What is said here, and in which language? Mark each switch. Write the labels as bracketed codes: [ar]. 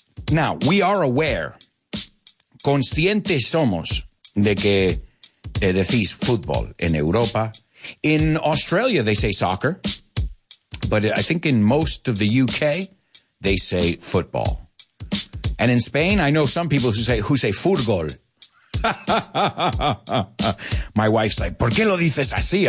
[en] Now, we are aware, [es] conscientes somos de que decís fútbol en Europa. [en] In Australia, they say soccer, but I think in most of the UK, they say football. And in Spain, I know some people who say fútbol. My wife's like, [es] ¿por qué lo dices así?